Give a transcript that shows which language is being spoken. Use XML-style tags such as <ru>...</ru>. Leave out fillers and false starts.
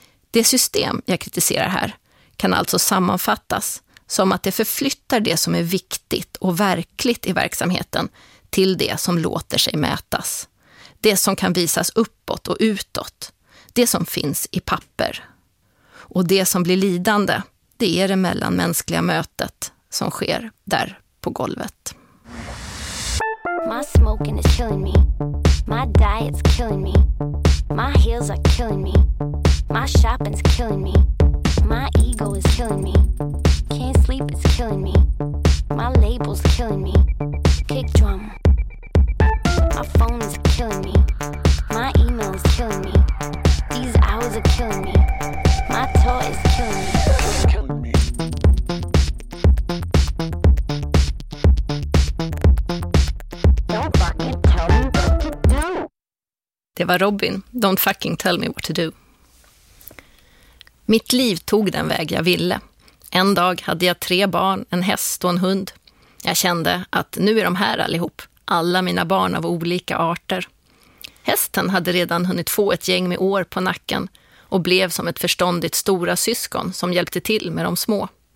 <sv>Det system jag kritiserar här kan alltså sammanfattas som att det förflyttar det som är viktigt och verkligt i verksamheten till det som låter sig mätas. Det som kan visas uppåt och utåt. Det som finns i papper. Och det som blir lidande, det är det mellanmänskliga mötet som sker där på golvet.</sv> <en>My smoking is killing me. My diet's killing me. My heels are killing me. My shopping's killing me. My ego is killing me. Can't sleep, it's killing me. My label's killing me. Kick drum. My phone is killing me. My email is killing me. These hours are killing me. My toy is killing me.</en> <sv>Det var</sv> <en>Robin, Don't fucking tell me what to do.</en> <sv>Mitt liv tog den väg jag ville. En dag hade jag 3 barn, en häst och en hund. Jag kände att nu är de här allihop, alla mina barn av olika arter. Hästen hade redan hunnit få ett gäng med år på nacken och blev som ett förståndigt stora syskon som hjälpte till med de små.</sv>